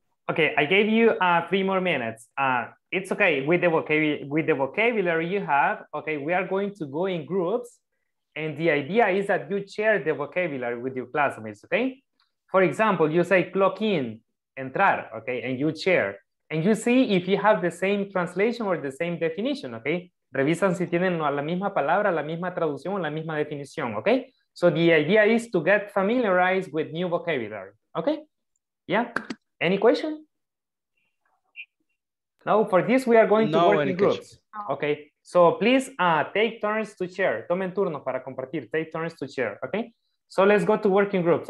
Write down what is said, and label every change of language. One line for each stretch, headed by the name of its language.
English: Okay, I gave you 3 more minutes. It's okay with the vocabulary you have. Okay, we are going to go in groups. And the idea is that you share the vocabulary with your classmates, okay? For example, you say clock in, entrar, okay? And you share. And you see if you have the same translation or the same definition, okay?
Spanish: Revisan si tienen la misma palabra, la misma traducción, la misma definición, okay?
English: So the idea is to get familiarized with new vocabulary, okay? Yeah. Any question? No, for this we are going to work in groups. Okay, so please take turns to share.
Spanish: Tomen turnos para compartir.
English: Take turns to share, okay? So let's go to working groups.